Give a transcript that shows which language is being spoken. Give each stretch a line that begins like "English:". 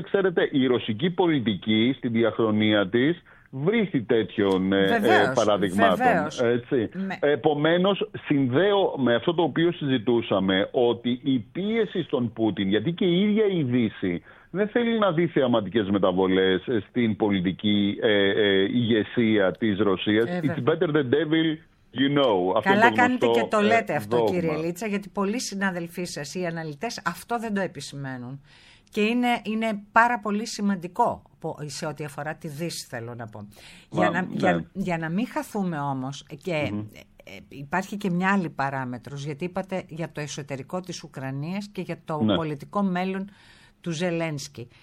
Greek: Ξέρετε, η ρωσική πολιτική στη διαχρονία της βρίσκει τέτοιων παραδειγμάτων. Επομένως, συνδέω με αυτό το οποίο συζητούσαμε, ότι η πίεση στον Πούτιν, γιατί και η ίδια η Δύση δεν θέλει να δει θεαματικές μεταβολές στην πολιτική ηγεσία της Ρωσίας.
English: It's better the devil you know.
Greek: Καλά κάνετε και το λέτε αυτό, δόγμα, κύριε Λίτσα, γιατί πολλοί συναδελφοί σας ή αναλυτές αυτό δεν το επισημαίνουν. Και είναι πάρα πολύ σημαντικό σε ό,τι αφορά τη Δύση, θέλω να πω. Για να μην χαθούμε όμως, και υπάρχει και μια άλλη παράμετρος, γιατί είπατε για το εσωτερικό της Ουκρανίας και για το πολιτικό μέλλον του Ζελένσκι.